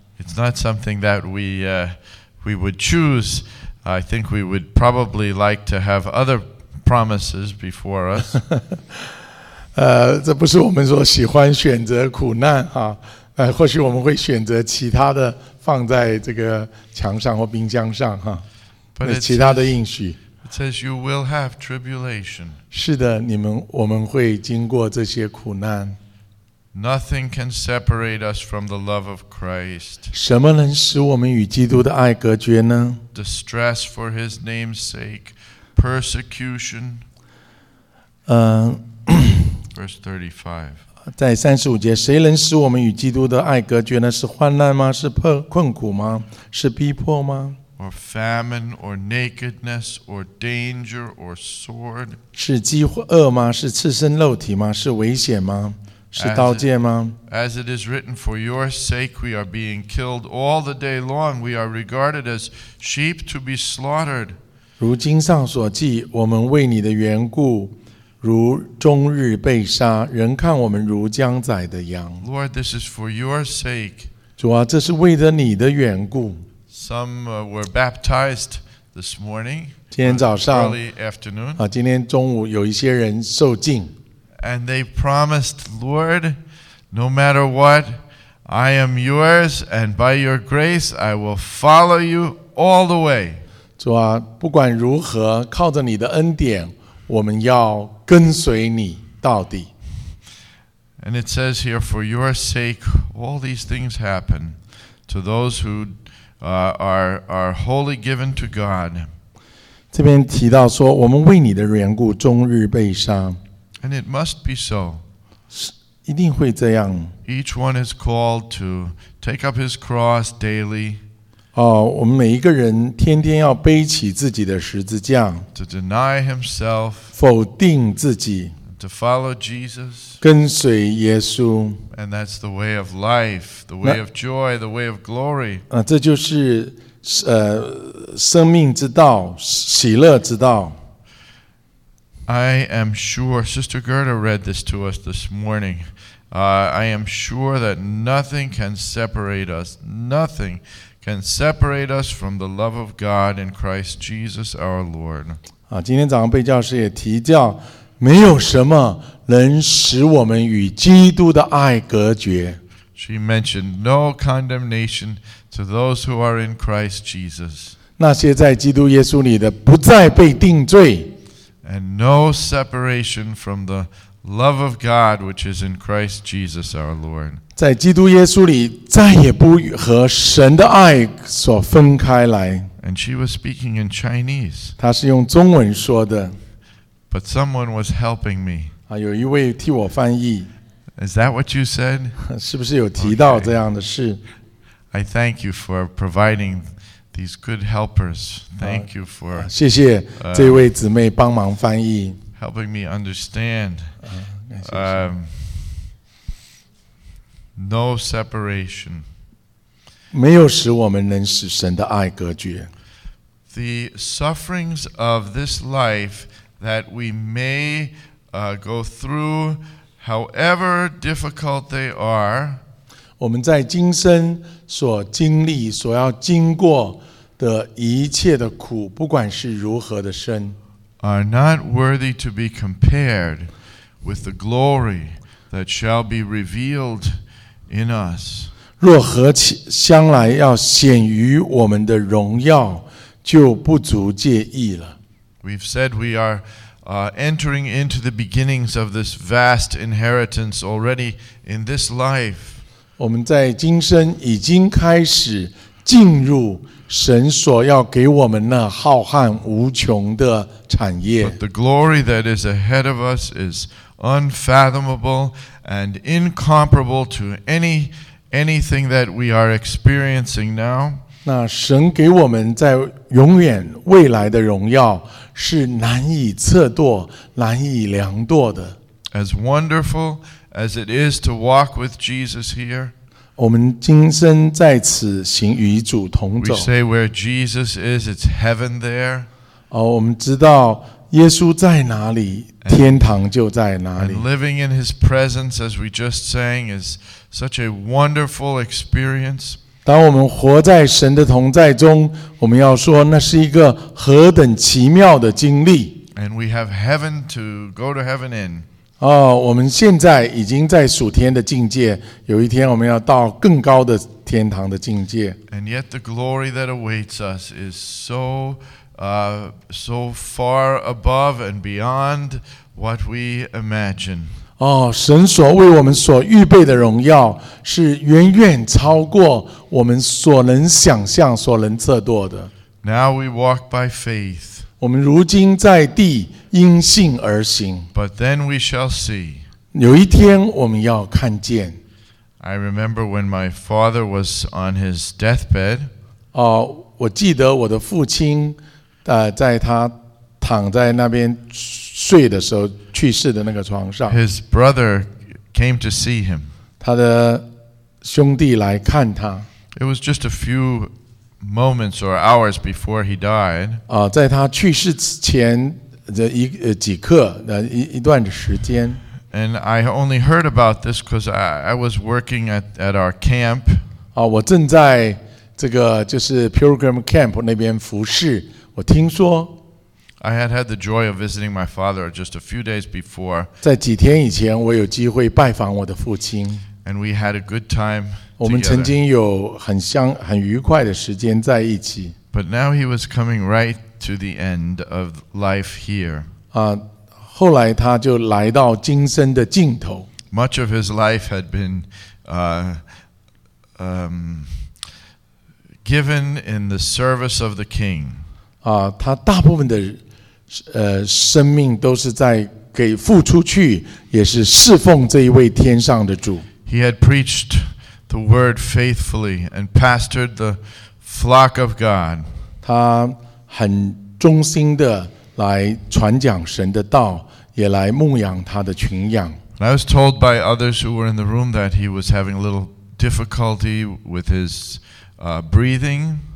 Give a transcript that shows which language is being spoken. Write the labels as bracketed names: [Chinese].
[English] It's not something that we would choose. I think we would probably like to have other promises before us. [Chinese] 这不是我们说喜欢选择苦难啊，或许我们会选择其他的放在这个墙上或冰箱上哈， [English] But [Chinese] 那其他的应许。 [English] It says you will have tribulation. [Chinese] 是的，我们会经过这些苦难。 [English] Nothing can separate us from the love of Christ. [Chinese] 什么能使我们与基督的爱隔绝呢？ [English] Distress for His name's sake, persecution. Verse 35. [Chinese] 在三十五节，谁能使我们与基督的爱隔绝呢？是患难吗？是困苦吗？是逼迫吗？ [English] Or famine, or nakedness, or danger, or sword. [Chinese] 是饥饿吗？是赤身肉体吗？是危险吗？是刀剑吗？ [English] As it is written, for your sake we are being killed all the day long. We are regarded as sheep to be slaughtered. [Chinese] 如经上所记，我们为你的缘故，如终日被杀，人看我们如将宰的羊。 [English] Lord, this is for your sake. [Chinese] 主啊，这是为着你的缘故。 [English] Some were baptized this morning. [Chinese] 今天早上 [English] early afternoon. [Chinese] 啊，今天中午有一些人受浸。 [English] And they promised, Lord, no matter what, I am yours, and by your grace, I will follow you all the way. [Chinese] 主啊，不管如何，靠着你的恩典，我们要跟随你到底。 [English] And it says here, for your sake, all these things happen to those who are wholly given to God. [Chinese] 这边提到说，我们为你的缘故，终日被杀。 [English] And it must be so. [Chinese] 一定会这样。 [English] Each one is called to take up his cross daily. [Chinese] 哦，我们每一个人天天要背起自己的十字架。 [English] To deny himself. [Chinese] 否定自己。 [English] To follow Jesus. [Chinese] 跟随耶稣。 [English] And that's the way of life, the way of joy, the way of glory. [Chinese] 啊，这就是生命之道，喜乐之道。 [English] I am sure, Sister Gerda read this to us this morning. I am sure that nothing can separate us. Nothing can separate us from the love of God in Christ Jesus our Lord. [Chinese] 啊，今天早上被教师也提到，没有什么能使我们与基督的爱隔绝。 [English] She mentioned no condemnation to those who are in Christ Jesus. [Chinese] 那些在基督耶稣里的，不再被定罪。 [English] And no separation from the love of God, which is in Christ Jesus our Lord. [Chinese] 在基督耶稣里，再也不和神的爱所分开来。 [English] And she was speaking in Chinese. [Chinese] 她是用中文说的。 [English] But someone was helping me. [Chinese] 啊，有一位替我翻译。 [English] Is that what you said? [Chinese] 是不是有提到这样的事？ [English] Okay. I thank you for providing. These good helpers, thank you for [Chinese] 谢谢这位姊妹帮忙翻译 [English] helping me understand. No separation. [Chinese] 没有使我们能使神的爱隔绝 [English] The sufferings of this life that we may go through, however difficult they are, [Chinese] 我们在今生所经历所要经过的一切的苦，不管是如何的深 [English] ，are not worthy to be compared with the glory that shall be revealed in us. [Chinese] 若何将来要显于我们的荣耀，就不足介意了。 [English] We've said we are entering into the beginnings of this vast inheritance already in this life. [Chinese] 我们在今生已经开始进入。神所要给我们那浩瀚无穷的产业。 [English] But the glory that is ahead of us is unfathomable and incomparable to anything that we are experiencing now. [Chinese] 那神给我们在永远未来的荣耀是难以测度、难以量度的。 [English] As wonderful as it is to walk with Jesus here. [Chinese] 我们今生在此行与主同走。 [English] We say where Jesus is, it's heaven there. [Chinese] 哦，我们知道耶稣在哪里，天堂就在哪里。 [English] And living in His presence, as we just sang, is such a wonderful experience. [Chinese] 当我们活在神的同在中，我们要说那是一个何等奇妙的经历。 [English] And we have heaven to go to heaven in. [Chinese] 哦，我们现在已经在属天的境界，有一天我们要到更高的天堂的境界。 [English] And yet the glory that awaits us is so far above and beyond what we imagine. [Chinese] 哦，神所为我们所预备的荣耀是远远超过我们所能想象、所能测度的。 [English] Now we walk by faith. [Chinese] 我们如今在地因信而行 [English] But then we shall see. [Chinese] 有一天我们要看见 [English] I remember when my father was on his deathbed. [Chinese] 我记得我的父亲在他躺在那边睡的时候去世的那个床上 [English] His brother came to see him. [Chinese] 他的兄弟来看他 [English] It was just a few moments or hours before he died. [Chinese] 在他去世前这一几课那一一段的时间。 [English] And I only heard about this because I was working at our camp. [Chinese] 啊，我正在这个就是 Pilgrim Camp 那边服事。我听说。 [English] I had had the joy of visiting my father just a few days before. [Chinese] 在几天以前，我有机会拜访我的父亲。 [English] And we had a good time. [Chinese] 我们曾经有很香很愉快的时间在一起。 [English] But now he was coming right to the end of life here. [Chinese] 啊。后来他就来到今生的尽头。 [English] Much of his life had been given in the service of the king. [Chinese] 啊，他大部分的生命都是在给付出去，也是侍奉这一位天上的主。 [English] He had preached the word faithfully and pastored the flock of God. [Chinese] 他很忠心的来传讲神的道。也来牧养他的群羊。 [English] I was told by others who were in the room that he was having a little difficulty with his breathing.